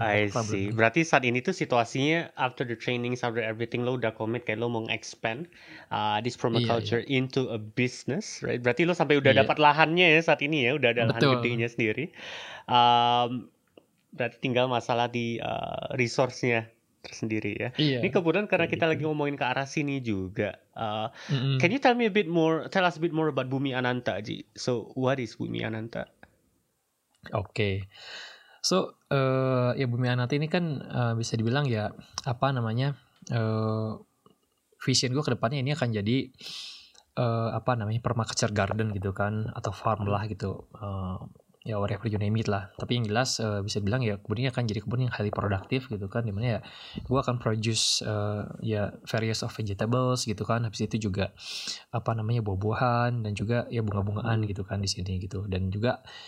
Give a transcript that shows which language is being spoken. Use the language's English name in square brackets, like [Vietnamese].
[English] I see. [Indonesian] Berarti saat ini tuh situasinya, [English] after the training, after everything, [Indonesian] lo udah commit, kayak lo mau [English] expand this permaculture into a business, right? [Indonesian] Berarti lo sampai udah dapat lahannya ya saat ini ya, udah ada lahan gedenya sendiri. Berarti tinggal masalah di resource-nya tersendiri ya. Ini kebetulan karena kita lagi ngomongin ke arah sini juga. [English] Can you tell me a bit more, tell us a bit more about Bumi Ananta, Ji? So, what is Bumi Ananta? Okay. [Indonesian] So, ya Bumi Ananta ini kan bisa dibilang ya, apa namanya, vision gue ke depannya ini akan jadi, apa namanya, permaculture garden gitu kan, atau farm lah gitu. Ya [English] whatever you name it [Indonesian] lah, tapi yang jelas bisa bilang ya kebunnya akan jadi kebun yang [English] highly productive [Indonesian] gitu kan, dimana ya gue akan produce ya [English] various of vegetables [Indonesian] gitu kan, habis itu juga apa namanya buah-buahan dan juga ya bunga-bungaan gitu kan di sini gitu, dan juga